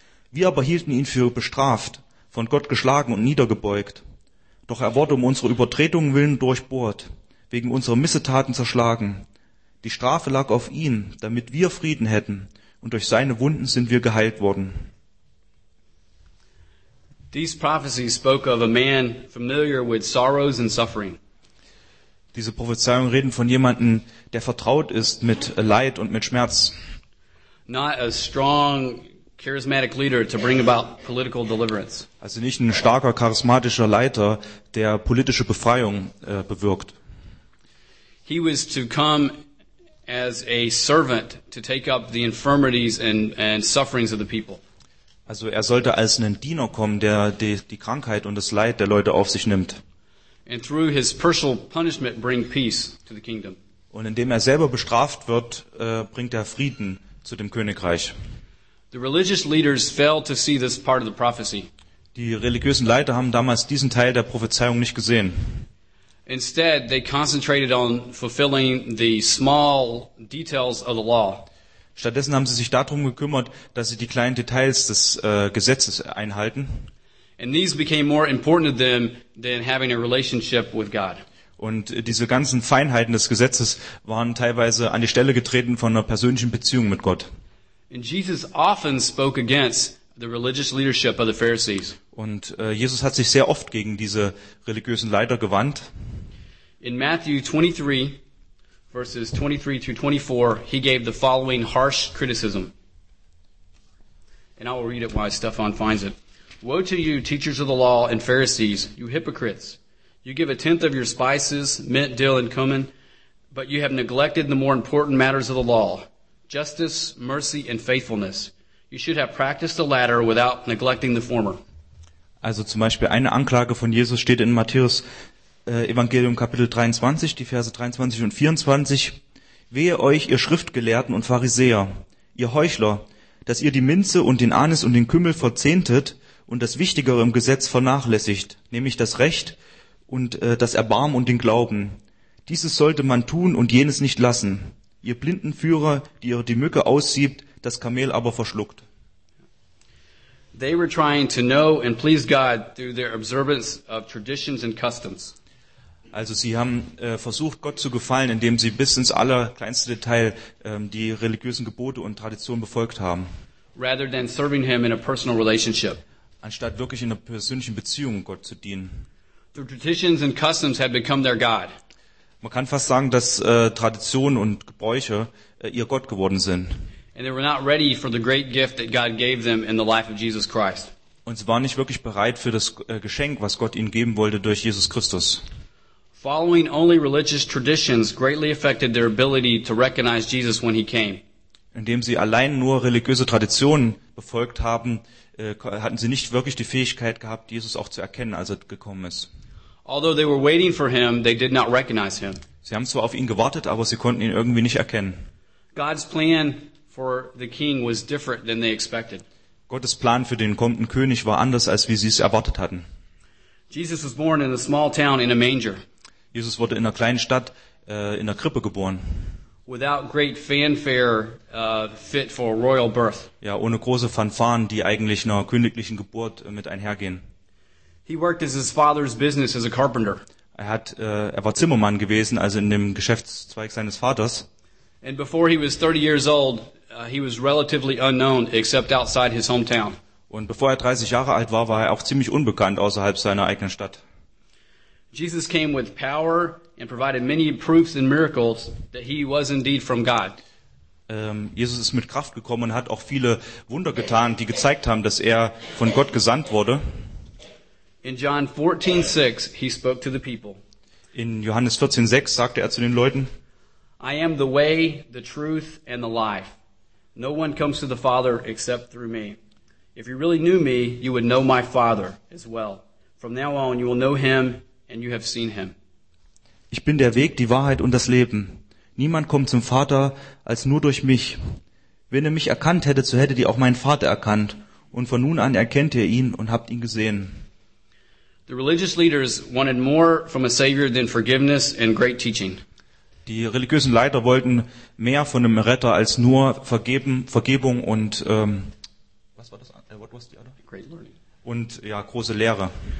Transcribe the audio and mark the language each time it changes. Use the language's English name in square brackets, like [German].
[German] Wir aber hielten ihn für bestraft, von Gott geschlagen und niedergebeugt. Doch er wurde um unsere Übertretungen willen durchbohrt, wegen unserer Missetaten zerschlagen. Die Strafe lag auf ihn, damit wir Frieden hätten, und durch seine Wunden sind wir geheilt worden. [English] These prophecies spoke of a man familiar with sorrows and suffering. [German] Diese Prophezeiungen reden von jemandem, der vertraut ist mit Leid und mit Schmerz. [English] Not a strong charismatic leader to bring about political deliverance. [German] Also nicht ein starker charismatischer Leiter, der politische Befreiung bewirkt. [English] He was to come as a servant to take up the infirmities and sufferings of the people. [German] Also er sollte als einen Diener kommen, der die Krankheit und das Leid der Leute auf sich nimmt. [English] And through his personal punishment bring peace to the kingdom. [German] Und indem er selber bestraft wird, bringt er Frieden zu dem Königreich. [English] The religious leaders failed to see this part of the prophecy. [German] Die religiösen Leiter haben damals diesen Teil der Prophezeiung nicht gesehen. [English] Instead, they concentrated on fulfilling the small details of the law. [German] Stattdessen haben sie sich darum gekümmert, dass sie die kleinen Details des Gesetzes einhalten. [English] And these became more important to them than having a relationship with God. [German] Und diese ganzen Feinheiten des Gesetzes waren teilweise an die Stelle getreten von einer persönlichen Beziehung mit Gott. [English] And Jesus often spoke against the religious leadership of the Pharisees. [German] Und Jesus hat sich sehr oft gegen diese religiösen Leiter gewandt. [English] In Matthew 23, verses 23 through 24, he gave the following harsh criticism. And I will read it while Stefan finds it. Woe to you, teachers of the law and Pharisees, you hypocrites! You give a tenth of your spices, mint, dill, and cumin, but you have neglected the more important matters of the law, justice, mercy, and faithfulness. You should have practiced the latter without neglecting the former. [German] Also zum Beispiel eine Anklage von Jesus steht in Matthäus Evangelium Kapitel 23, die Verse 23 und 24. Wehe euch, ihr Schriftgelehrten und Pharisäer, ihr Heuchler, dass ihr die Minze und den Anis und den Kümmel verzehntet und das Wichtigere im Gesetz vernachlässigt, nämlich das Recht und das Erbarmen und den Glauben. Dieses sollte man tun und jenes nicht lassen. Ihr Blindenführer, die ihr die Mücke aussiebt, das Kamel aber verschluckt. [English] They were trying to know and please God through their observance of traditions and customs. [German] Also sie haben versucht, Gott zu gefallen, indem sie bis ins allerkleinste Detail die religiösen Gebote und Traditionen befolgt haben. [English] Rather than serving him in a personal relationship. [German] Anstatt wirklich in einer persönlichen Beziehung Gott zu dienen. [English] The traditions and customs have become their God. [German] Man kann fast sagen, dass Traditionen und Gebräuche ihr Gott geworden sind. [English] And they were not ready for the great gift that God gave them in the life of Jesus Christ. [German] Und sie waren nicht wirklich bereit für das Geschenk, was Gott ihnen geben wollte durch Jesus Christus. [English] Following only religious traditions greatly affected their ability to recognize Jesus when he came. [German] Indem sie allein nur religiöse Traditionen befolgt haben, hatten sie nicht wirklich die Fähigkeit gehabt, Jesus auch zu erkennen, als er gekommen ist. [English] Although they were waiting for him, they did not recognize him. [German] Sie haben zwar auf ihn gewartet, aber sie konnten ihn irgendwie nicht erkennen. [English] God's plan for the king was different than they expected. [German] Gottes Plan für den kommenden König war anders, als wie sie es erwartet hatten. [English] Jesus was born in a small town in a manger. [German] Jesus wurde in einer kleinen Stadt in der Krippe geboren. [English] Without great fanfare fit for a royal birth. [German] Ja, ohne große Fanfaren, die eigentlich einer königlichen Geburt mit einhergehen. [English] He worked as his father's business as a carpenter. [German] Er war Zimmermann gewesen, also in dem Geschäftszweig seines Vaters. [English] And before he was 30 years old, he was relatively unknown except outside his hometown. [German] Und bevor er 30 Jahre alt war, war er auch ziemlich unbekannt außerhalb seiner eigenen Stadt. [English] Jesus came with power and provided many proofs and miracles that he was indeed from God. [German] Jesus ist mit Kraft gekommen und hat auch viele Wunder getan, die gezeigt haben, dass er von Gott gesandt wurde. [English] In John 14:6, he spoke to the people. [German] In Johannes 14:6 sagte er zu den Leuten: [English] I am the way, the truth, and the life. No one comes to the Father except through me. If you really knew me, you would know my Father as well. From now on, you will know him, and you have seen him. [German] Ich bin der Weg, die Wahrheit und das Leben. Niemand kommt zum Vater als nur durch mich. Wenn ihr mich erkannt hättet, so hättet ihr auch meinen Vater erkannt. Und von nun an erkennt ihr ihn und habt ihn gesehen. [English] The religious leaders wanted more from a Savior than forgiveness and great teaching. [German] Die religiösen Leiter wollten mehr von einem Retter als nur Vergebung und große Lehre.